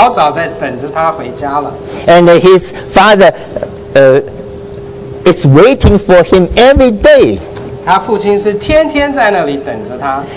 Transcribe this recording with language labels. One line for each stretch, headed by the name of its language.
Chinese: 他不知道，其实他的父亲已经老早在等着他回家了。
English: And his father is waiting for him every day.
Chinese: 他父亲是天天在那里等着他。